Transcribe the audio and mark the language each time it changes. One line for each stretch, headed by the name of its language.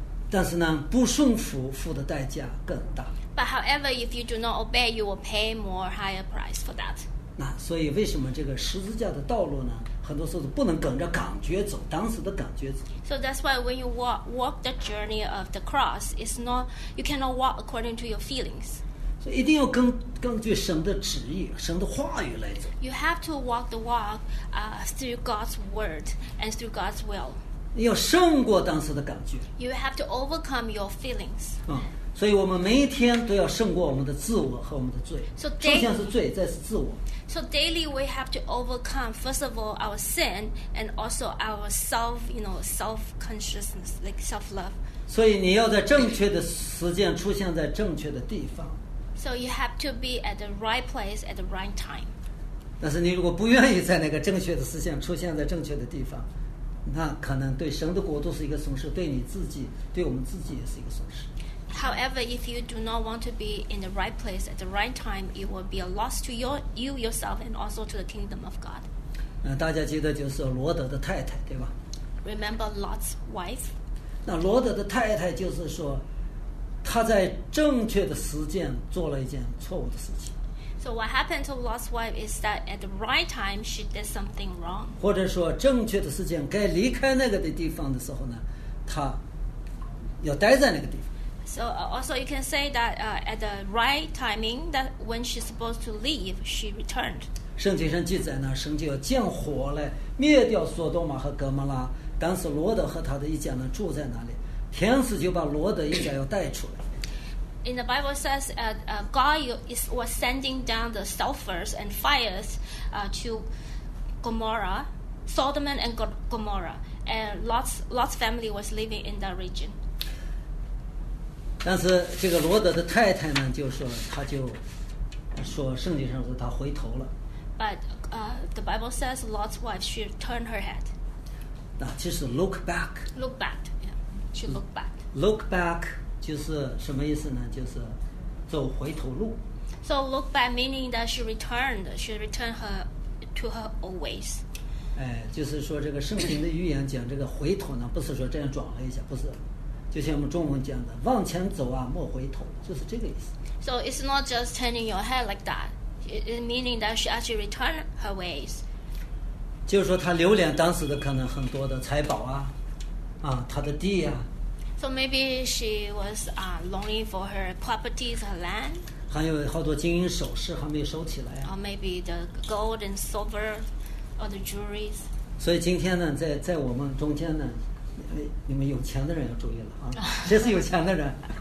Chinese: 但是呢，不顺服付的代价更大。
English: But however, if you do not obey, you will pay more higher price for that.
Chinese: 那所以为什么这个十字架的道路呢？很多时候不能跟着感觉走，当时的感觉走。
English: So that's why when you walk the journey of the cross, it's not you cannot walk according to your feelings.
Chinese: 所以一定要根据神的旨意神的话语来走
English: You have to walk the walk through God's word and through God's will
Chinese: 你要胜过当时的感觉
English: You have to overcome your feelings、
Chinese: 所以我们每一天都要胜过我们的自我和我们的罪
English: so daily,
Chinese: 首先是罪再是自我
English: So daily we have to overcome first of all our sin and also our self, you know, self-consciousness like self-love
Chinese: 所以你要在正确的时间出现在正确的地方
English: So you have to be at the right place at the right time.
Chinese: 但是你如果不愿意在那个正确的思想出现在正确的地方，那可能对神的国度是一个损失，对你自己，对我们自己也是一个损失。
English: However, if you do not want to be in the right place at the right time, it will be a loss to yourself and also to the kingdom of God.
Chinese: 大家记得就是罗德的太太，对吧
English: ？Remember Lot's wife.
Chinese: 那罗德的太太就是说。他在正确的时间做了一件错误的事情。
English: So what happened to Lot's wife is that at the right time she did something wrong.
Chinese: 或者说正确的时间该离开那个的地方的时候呢，他要待在那个地方。
English: So also you can say that at the right timing that when she's supposed to leave, she returned.
Chinese: 圣经上记载呢，神就要降火来灭掉索多玛和哥摩拉，当时罗德和他的一家呢住在那里。天使就把罗德一家要带出来。
English: In the Bible says, God was sending down the sulfur and fires, to Gomorrah, Sodom and Gomorrah, and Lot's family was living in that region.
Chinese: 但是这个罗德的太太呢，就说他就说圣经上说他回头了。
English: But the Bible says Lot's wife she turned her head.
Chinese: 那就是
English: look back. Look back. To look back. Look back
Chinese: 就是什么意思呢？就是走回头路。
English: So look back meaning that she returned. She returned her to her old ways.
Chinese: 哎，就是说这个圣经的预言讲这个回头呢，不是说这样转了一下，不是。就像我们中文讲的，往前走啊，莫回头，就是这个意思。
English: So it's not just turning your head like that. It meaning that she actually returned her ways.
Chinese: 就是说她留恋当时的可能很多的财宝啊。他的地啊
English: So maybe she was longing for her properties, her land.
Chinese: 还有好多金银首饰还没有收起来啊
English: Or maybe the gold and silver or the jewelries.
Chinese: 所以今天呢，在我们中间呢，你们有钱的人要注意了啊，这是有钱的人。